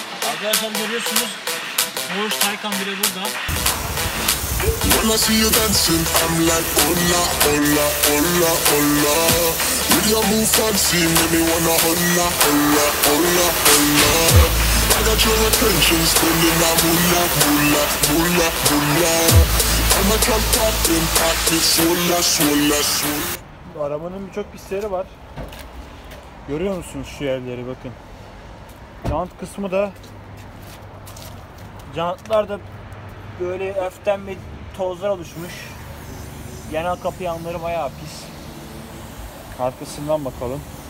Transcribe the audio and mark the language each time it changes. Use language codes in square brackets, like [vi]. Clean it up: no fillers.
[tr] Arkadaşlar görüyorsunuz, Boğuş Taykan bile burada. [en] When I see you dancing, I'm like, hola, hola, hola, hola. With your move fancy, make me wanna hola, hola, hola, hola. I got your attention, spending a mula, mula, mula, mula. I'm a club captain, party, sola, sola, sola. [tr] Arabanın birçok pisleri var. Görüyor musunuz şu yerleri, bakın. Jant kısmı da, jantlar da böyle öften bir tozlar oluşmuş. Genel kapı yanları bayağı pis. Arkasından bakalım.